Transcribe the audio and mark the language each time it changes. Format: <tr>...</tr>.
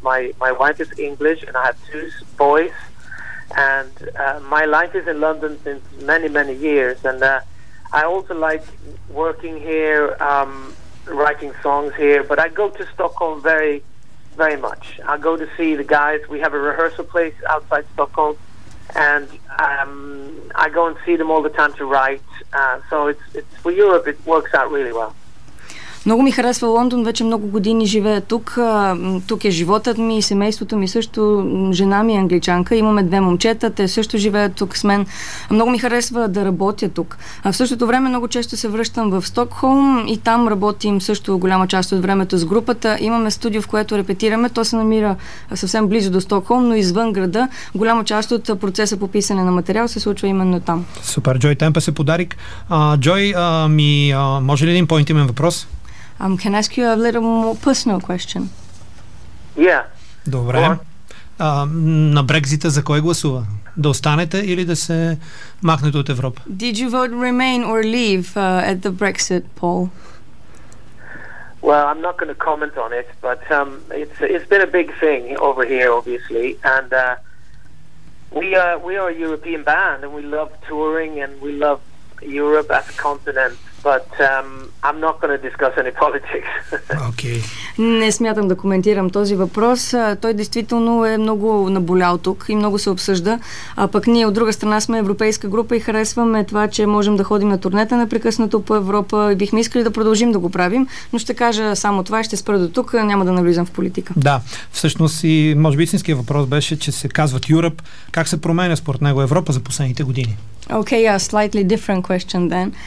<en>My wife is English and I have two boys. And my life is in London since many, many years, and I also like working here, writing songs here, but I go to Stockholm very, very much. I go to see the guys. We have a rehearsal place outside Stockholm, and I go and see them all the time to write, so it's for Europe it works out really well.</en> <bg>Много ми харесва Лондон, вече много години живея тук. Тук е животът ми и семейството ми също. Жена ми е англичанка, имаме две момчета, те също живеят тук с мен. Много ми харесва да работя тук. А в същото време много често се връщам в Стокхолм и там работим също голяма част от времето с групата. Имаме студио, в което репетираме. То се намира съвсем близо до Стокхолм, но извън града. Голяма част от процеса по писане на материал се случва именно там. Супер, Джой Темпес е подарик. Джой, може ли един по-интимен въпрос?</bg> <en>Can I ask you a little more personal question? Yeah.</en> <bg>Добре. На Брекзита за кой гласува? Да останете или да се махнете от Европа?</bg> <en>Did you vote remain or leave at the Brexit poll? Well, I'm not going to comment on it, but it's been a big thing over here, obviously, and we are a European band and we love touring and we love Europe as a continent. But I'm not going to discuss any politics. Okay.</en> <bg>Не смятам да коментирам този въпрос. Той действително е много наболял тук и много се обсъжда. А пък ние от друга страна сме европейска група и харесваме това, че можем да ходим на турнета непрекъснато по Европа и бихме искали да продължим да го правим, но ще кажа само това и ще спра до тук, няма да навлизам в политика. Да, всъщност и може би истинският въпрос беше, че се казват Europe. Как се променя според него Европа за последните години?</bg> <en>Okay, yeah, slightly different question then.</en>